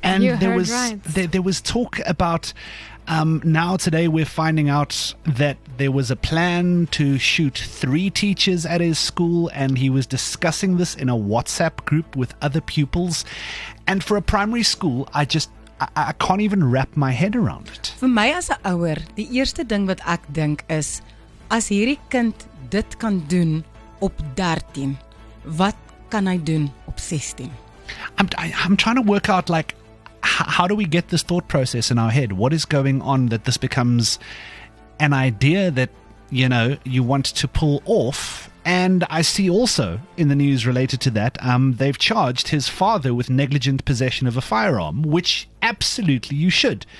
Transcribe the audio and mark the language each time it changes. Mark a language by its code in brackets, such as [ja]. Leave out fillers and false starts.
[en] and there was talk about now today we're finding out that there was a plan to shoot three teachers at his school, and he was discussing this in a WhatsApp group with other pupils. And for a primary school, I can't even wrap my head around it. [af] Vir my as 'n ouer, die eerste ding wat ek dink is, as hierdie kind dit kan doen op 13, wat kan hy doen op 16? [en] I'm trying to work out, like, how do we get this thought process in our head? What is going on that this becomes an idea that, you know, you want to pull off? And I see also in the news related to that, they've charged his father with negligent possession of a firearm, which absolutely you should.